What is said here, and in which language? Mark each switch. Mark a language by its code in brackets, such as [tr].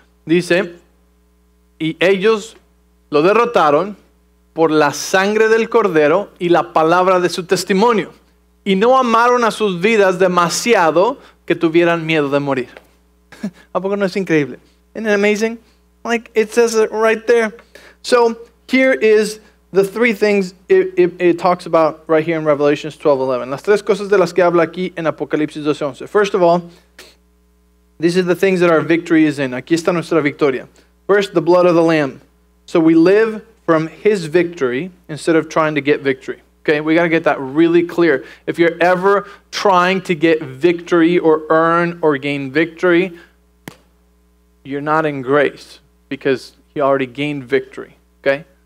[es] Dice, y ellos lo derrotaron por la sangre del cordero y la palabra de su testimonio. Y no amaron a sus vidas demasiado que tuvieran miedo de morir. ¿A poco no es increíble? [en] Isn't it amazing? Like, it says it right there. So, here is the three things it talks about right here in Revelation 12:11. [es] Las tres cosas de las que habla aquí en Apocalipsis 12:11. [en] First of all, these are the things that our victory is in. [es] Aquí está nuestra victoria. [en] First, the blood of the Lamb. So we live from His victory instead of trying to get victory. Okay, we got to get that really clear. If you're ever trying to get victory or earn or gain victory, you're not in grace because He already gained victory. Okay?